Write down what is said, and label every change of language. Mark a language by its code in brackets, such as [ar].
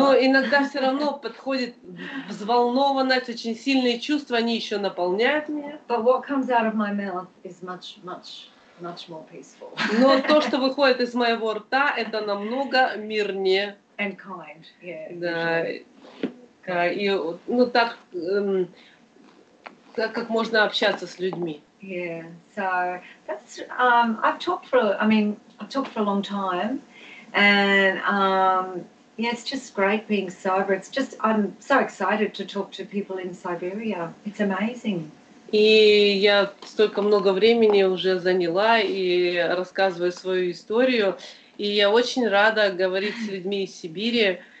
[ru] Но иногда все равно подходит взволнованность, очень сильные чувства, они еще наполняют меня. [en] But what comes out of my mouth is much, much. Much more peaceful. [ru] Но то, что выходит из моего рта, это намного мирнее. [en] And kind, yeah. Да. Usually. [ru] И ну так, как можно общаться с людьми. [en] Yeah. So that's I've talked for a long time, and it's just great being sober. It's just I'm so excited to talk to people in Siberia. It's amazing. [ru] И я столько много времени уже заняла и рассказываю свою историю. И я очень рада говорить с людьми из Сибири.